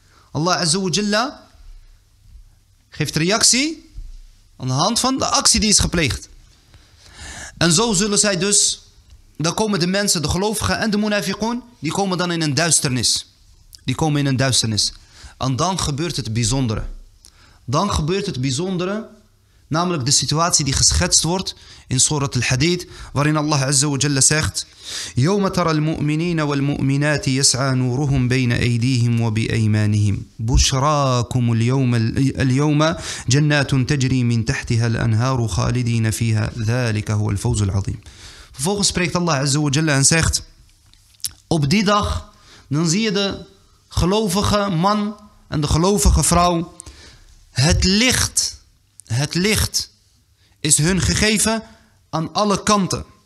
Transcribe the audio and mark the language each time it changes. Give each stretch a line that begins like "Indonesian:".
Dutch: Allah Azza wa Jalla geeft reactie aan de hand van de actie die is gepleegd. En zo zullen zij dus, dan komen de mensen, de gelovigen en de munafiqun, die komen dan in een duisternis. Die komen in een duisternis. En dan gebeurt het bijzondere. Dan gebeurt het bijzondere
Arabic: Namelijk de situatie die geschetst wordt in Surat al-Hadid, waarin Allah Azza wa Jalla zegt: يَوْمَ تَرَى الْمُؤْمِنِينَ وَالْمُؤْمِنَاتِ يَسْعَى نُورُهُمْ بَيْنَ أَيْدِيهِمْ وَبِأَيْمَانِهِمْ بُشْرَاكُمُ الْيَوْمَ جَنَّاتٌ تَجْرِي مِنْ تَحْتِهَا الْأَنْهَارُ خَالِدِينَ فِيهَا ذَلِكَ هُوَ الْفَوْزُ الْعَظِيمُ.
Dutch: Vervolgens spreekt Allah Azza wa Jalla en zegt: op die dag dan zie je de gelovige man en de gelovige vrouw, het licht is hun gegeven aan alle kanten.